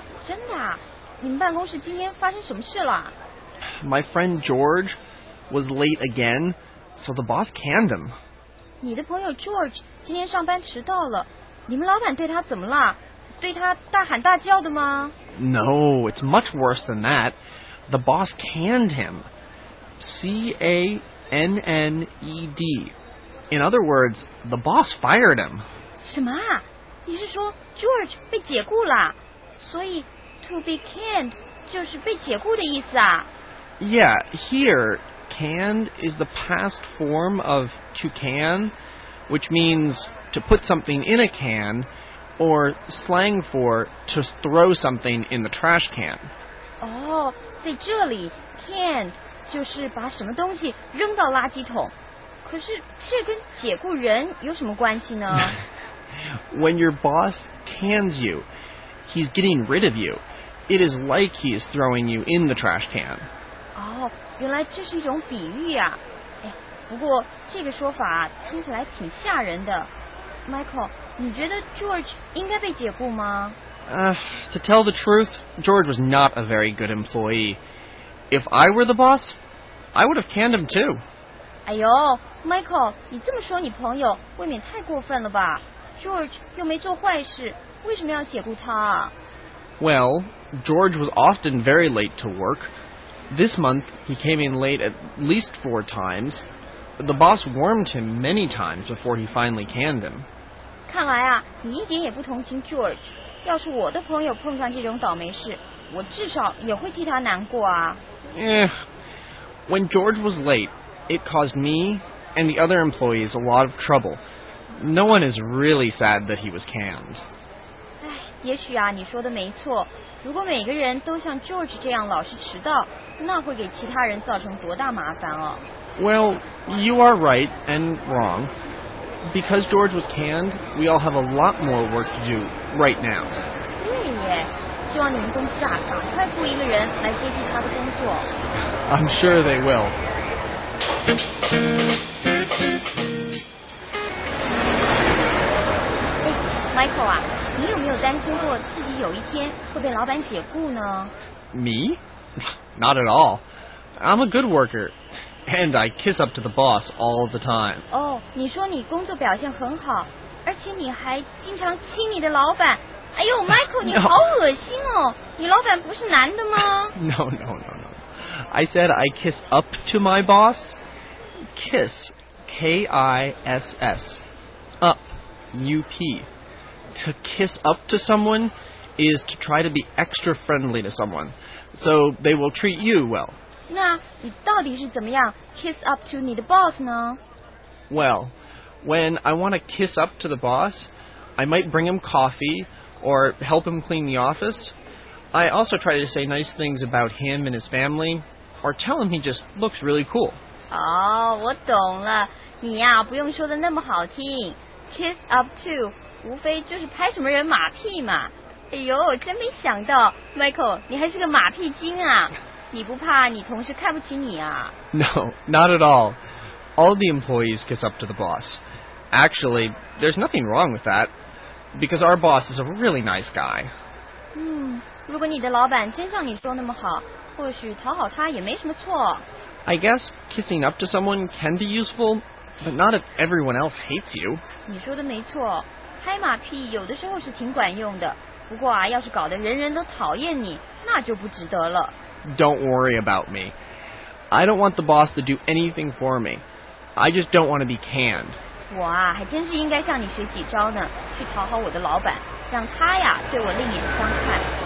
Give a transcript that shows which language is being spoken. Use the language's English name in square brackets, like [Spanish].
[Chinese] 真的啊？你们办公室今天发生什么事了？ [English] My friend George, was late again, so the boss canned him. [Chinese] 你的朋友 George 今天上班迟到了，你们老板对他怎么了？对他大喊大叫的吗？ [English] No, it's much worse than that. The boss canned him. C-A-N-N-E-D. In other words, the boss fired him. [Chinese] 什么？你是说 George 被解雇了？所以 [English] to be canned [Chinese] 就是被解雇的意思啊？ [English] Yeah, here... Canned is the past form of to can, which means to put something in a can, or slang for to throw something in the trash can. [Chinese] Oh, 在这里 canned 就是把什么东西扔到垃圾桶。可是这跟解雇人有什么关系呢？ [English] When your boss cans you, he's getting rid of you. It is like he is throwing you in the trash can. [Chinese] 原来这是一种比喻啊，哎，不过这个说法听起来挺吓人的。 Michael, 你觉得 George 应该被解雇吗？ [English] To tell the truth, George was not a very good employee. If I were the boss, I would have canned him too. [Chinese] 哎呦 ，Michael, 你这么说你朋友，未免太过分了吧 ？George 又没做坏事，为什么要解雇他 [English] ？Well, George was often very late to work. This month, he came in late at least 4 times. The boss warned him many times before he finally canned him. [Chinese] 看来啊，你一点也不同情 George. 要是我的朋友碰上这种倒霉事，我至少也会替他难过啊。 [English] When George was late, it caused me and the other employees a lot of trouble. No one is really sad that he was canned. [Chinese] 哎，也许啊，你说的没错。如果每个人都像 George 这样老是迟到，那会给其他人造成多大麻烦哦。 [English] Well, you are right and wrong. Because George was canned, we all have a lot more work to do right now. [Chinese] 对耶，希望你们公司啊，赶快雇一个人来接替他的工作。 [English] I'm sure they will. [Chinese] Hey, Michael 啊。你有没有担心过自己有一天会被老板解雇呢？ [English] Me? Not at all. I'm a good worker, and I kiss up to the boss all the time. [Chinese] 哦，你说你工作表现很好，而且你还经常亲你的老板。哎呦 ，Michael， 你好恶心哦！ [English] No. [Chinese] 你老板不是男的吗？ [English] No. I said I kiss up to my boss. Kiss, K-I-S-S, up, U-P. To kiss up to someone is to try to be extra friendly to someone, so they will treat you well. [Chinese] 那你到底是怎么样 [English] kiss up to [Chinese] 你的 boss 呢？ [English] Well, when I want to kiss up to the boss, I might bring him coffee or help him clean the office. I also try to say nice things about him and his family, or tell him he just looks really cool. [Chinese] 哦，我懂了，你呀，不用说的那么好听 ， [English] kiss up to。 [Chinese] 无非就是拍什么人马屁嘛。哎呦，真没想到 ，Michael， 你还是个马屁精啊！你不怕你同事看不起你啊 [English] ？No, not at all. All the employees kiss up to the boss. Actually, there's nothing wrong with that, because our boss is a really nice guy. [Chinese] 如果你的老板真像你说那么好，或许讨好他也没什么错。 [English] I guess kissing up to someone can be useful, but not if everyone else hates you. [Chinese] 你说的没错。拍马屁有的时候是挺管用的，不过啊，要是搞得人人都讨厌你，那就不值得了。 [English] Don't worry about me. I don't want the boss to do anything for me. I just don't want to be canned. [Chinese] 我啊，还真是应该向你学几招呢，去讨好我的老板，让他呀对我另眼相看。